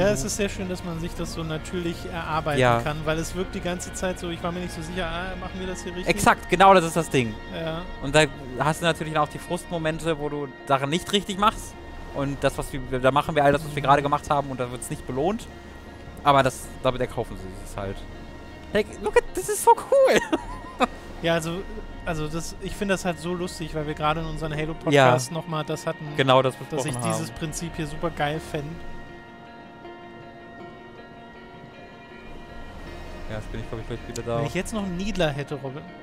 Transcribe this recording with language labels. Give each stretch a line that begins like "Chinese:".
German: Ja, es ist sehr schön, dass man sich das so natürlich erarbeiten kann, weil es wirkt die ganze Zeit so, ich war mir nicht so sicher, machen wir das hier richtig? Exakt, genau das ist das Ding. Ja. Und da hast du natürlich auch die Frustmomente, wo du Sachen nicht richtig machst und das, was wir, da machen wir all das, was wir gerade gemacht haben und da wird es nicht belohnt, aber das, damit erkaufen sie es halt.
English: Like, look at, this is so cool!
German: Ja, also das, ich finde das halt so lustig, weil wir gerade in unserem Halo-Podcast nochmal das hatten. Genau das, dass ich dieses Prinzip hier super geil fände. Ja, jetzt bin ich, glaube ich, gleich wieder da. Wenn ich jetzt noch einen Needler hätte, Robin.